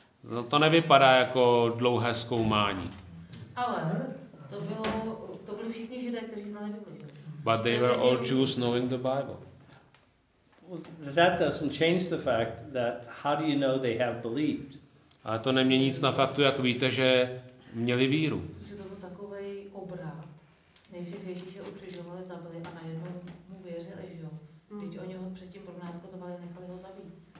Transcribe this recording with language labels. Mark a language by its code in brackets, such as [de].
[cs] No, to nevypadá jako dlouhé zkoumání. Ale to bylo, to byli všichni Židé, kteří znali Bibli. [en] But they were all Jews knowing the Bible. Well, that doesn't change the fact that how do you know they have believed? [cs] A to nemění nic na faktu, jak víte, že měli víru. Že to byl takovej obrat. Nejdřív Ježíše ukřižovali, zabili a najednou mu věřili, že jo. Když oni ho předtím pronásledovali, nechali ho zabít.